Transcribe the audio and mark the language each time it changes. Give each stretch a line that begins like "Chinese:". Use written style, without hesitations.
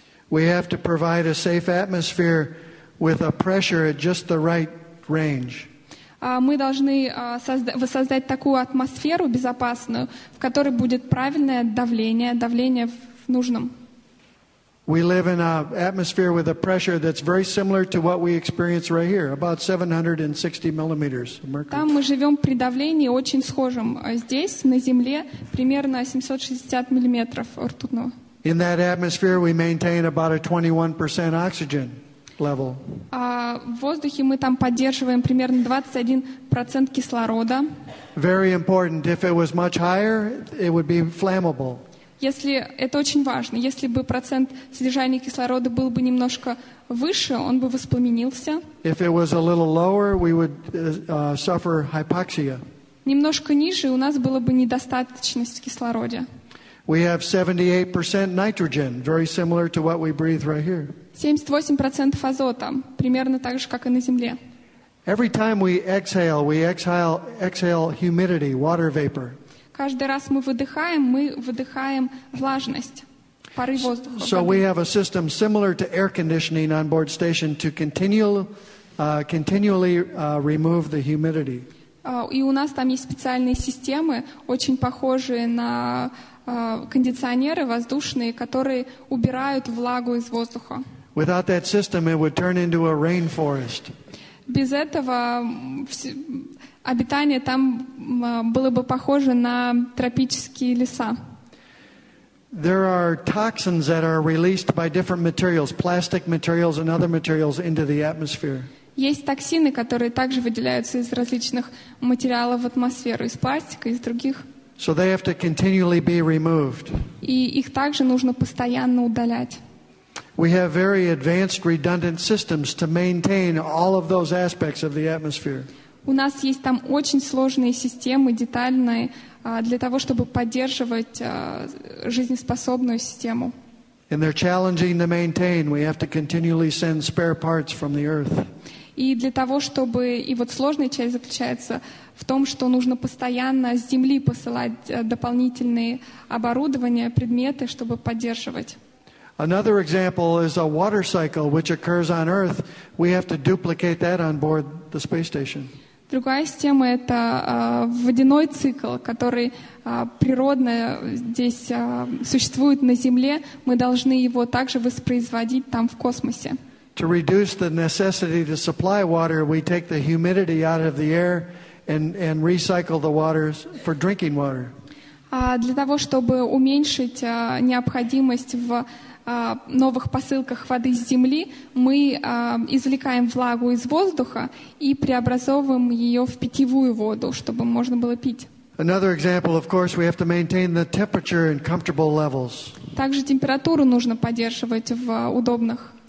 English: We have to provide a safe atmosphere with a pressure at just the right range.
Russian: Мы должны воссоздать такую атмосферу безопасную, в которой будет правильное давление, давление в нужном.
English: We live in an atmosphere with a pressure that's very similar to what we experience right here, about 760 millimeters of mercury.
Russian: Там мы живем при давлении очень схожем здесь, на Земле, примерно 760 миллиметров ртутного.
English: In that atmosphere, we maintain about a 21% oxygen level.
Russian: В воздухе мы там поддерживаем примерно 21% кислорода.
English: Very important. If it was much higher, it would be flammable.
Russian: Если это очень важно, если бы процент содержания кислорода был бы немножко выше, он бы воспламенился.
English: If it was a little lower, we would suffer hypoxia.
Russian: Немножко ниже, у нас было бы недостаточность в кислороде.
English: We have 78% nitrogen, very similar to what we breathe right here.
Russian: 78% азота, примерно так же, как и на Земле.
English: Every time we exhale humidity, water vapor.
Russian: Каждый раз мы выдыхаем влажность, пары воздуха.
English: So we have a system similar to air conditioning on board station to continually remove the humidity.
Russian: И у нас там есть специальные системы, очень похожие на кондиционеры воздушные, которые убирают влагу из воздуха.
English: Without that system, it would turn into a rainforest.
Russian: Без этого обитание там было бы похоже на тропические леса.
English: There are toxins that are released by different materials, plastic materials and other materials into the atmosphere.
Russian: Есть токсины, которые также выделяются из различных материалов в атмосферу, из пластика, из других.
English: So they have to continually be removed.
Russian: И их также нужно постоянно удалять.
English: We have very advanced redundant systems to maintain all of those aspects of the atmosphere.
Russian: У нас есть там очень сложные системы, детальные, для того, чтобы поддерживать жизнеспособную систему.
English: And they're challenging to maintain. We have to continually send spare parts from the Earth.
Russian: И для того, чтобы... И вот сложная часть заключается в том, что нужно постоянно с Земли посылать дополнительные оборудования, предметы, чтобы поддерживать.
English: Another example is a water cycle which occurs on Earth. We have to duplicate that on board the space station.
Russian: Другая система — это водяной цикл, который природно здесь существует на Земле. Мы должны его также воспроизводить там, в космосе.
English: To reduce the necessity to supply water, we take the humidity out of the air and recycle the water for drinking water.
Russian: Для того, чтобы уменьшить необходимость в новых посылках воды с Земли, мы извлекаем влагу из воздуха и преобразовываем ее в питьевую воду, чтобы можно было пить.
English: Another example, of course, we have to maintain the temperature in comfortable levels.
Russian: Также температуру нужно поддерживать в удобных уровнях.